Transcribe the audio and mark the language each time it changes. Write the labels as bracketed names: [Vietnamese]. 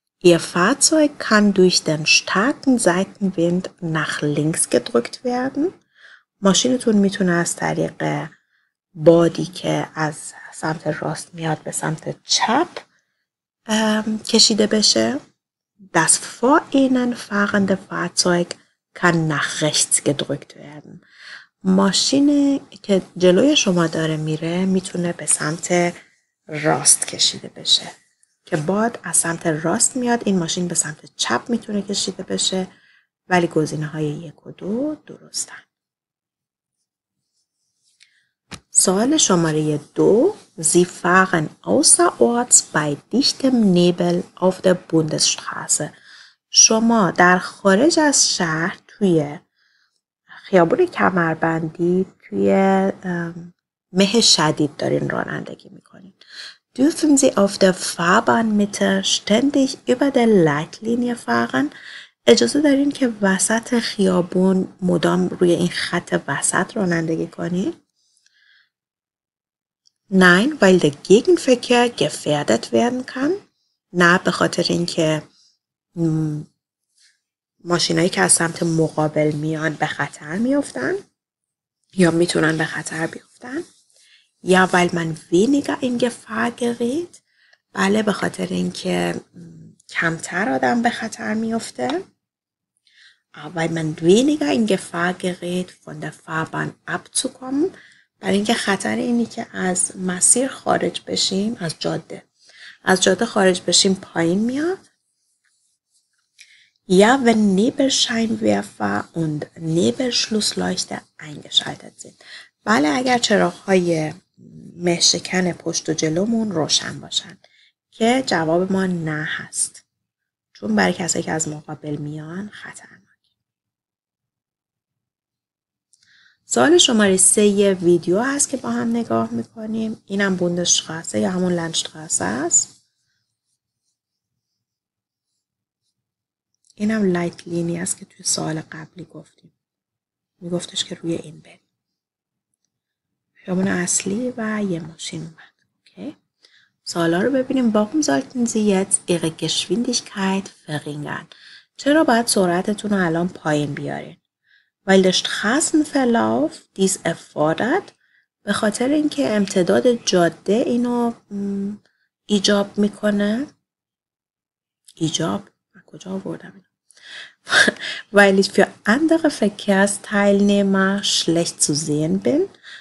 [German] Ihr Fahrzeug kann durch den starken Seitenwind nach links gedrückt werden. [Persian] ماشینتون میتونه از طریق بادی که از سمت راست میاد به سمت چپ کشیده بشه. [German] Das vor Ihnen fahrende Fahrzeug kann nach rechts gedrückt werden. [Persian] ماشینی که جلوی شما داره میره میتونه به سمت راست کشیده بشه. که باد از سمت راست میاد این ماشین به سمت چپ میتونه کشیده بشه ولی گزینه های 1 و 2 درستن. سوال شماره 2 [German] Sie fahren außerorts bei dichtem Nebel auf der Bundesstraße. [Persian] شما در خارج از شهر توی خیابون کمربندی توی مه شدید دارین رانندگی میکنین. [German] Dürfen Sie auf der Fahrbahnmitte ständig über der Leitlinie fahren? [Persian] اجازه دارین که وسط خیابون مدام روی این خط وسط رانندگی کنین؟ [German] Nein, weil der Gegenverkehr gefährdet werden kann. [Persian] نه به خاطر اینکه ماشینایی که از سمت مقابل میان به خطر میافتن یا میتونن به خطر بیافتن. [German] Ja, weil man weniger in Gefahr gerät. [Persian] بله به خاطر اینکه کمتر آدم به خطر میفته. [German] Weil man weniger in Gefahr gerät von der Fahrbahn abzukommen. [Persian] برای اینکه خطر اینی که از مسیر خارج بشیم از جاده خارج بشیم پایین میاد. [German] Ja, wenn Nebelscheinwerfer und Nebelschlussleuchte eingeschaltet sind. [Persian] بله اگر چراغ‌های مهشکن پشت و جلومون روشن باشن که جواب ما نه هست چون برای کسی که از مقابل میان خطرناک. سوال شماره 3 یه ویدیو هست که با هم نگاه میکنیم. اینم بوندشتراسه یا همون لندشتراسه هست. اینم لایت لینی هست که توی سوال قبلی گفتیم میگفتش که روی این بریم. خیابون اصلی و یه ماشین اومد. Okay. سوالا رو ببینیم. [German] Warum sollten Sie jetzt Ihre Geschwindigkeit verringern? [Persian] چرا باید سرعتتون رو الان پایین بیارین؟ [German] Weil der Straßenverlauf dies erfordert. [Persian] به خاطر اینکه امتداد جاده اینو ایجاب میکنه. ایجاب؟ من کجا آوردم اینو؟ [German] Weil ich für andere Verkehrsteilnehmer schlecht zu sehen bin.